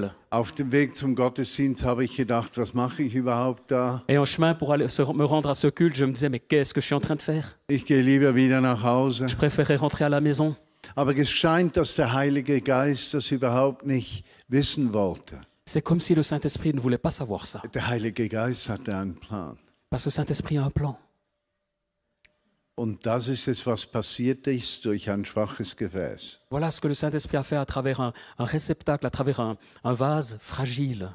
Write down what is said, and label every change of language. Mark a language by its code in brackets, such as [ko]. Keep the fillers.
[de] Auf dem Weg zum Gottesdienst habe ich gedacht, was mache ich überhaupt da? [fr] Et en chemin pour aller me rendre à ce culte, je me disais mais qu'est-ce que je suis en train de faire? [de] Ich gehe lieber wieder nach Hause. [fr] Je préférais rentrer à la maison. [de] Aber es scheint, dass der Heilige Geist das überhaupt nicht wissen wollte. [fr] C'est comme si le Saint-Esprit ne voulait pas savoir ça. [de] Der Heilige Geist hatte einen Plan. [fr] Parce que Saint-Esprit a un plan. [de] Und das ist es, was passiert ist durch ein schwaches Gefäß. [fr] Voilà ce que le Saint-Esprit a fait à travers un, un réceptacle, à travers un, un vase fragile.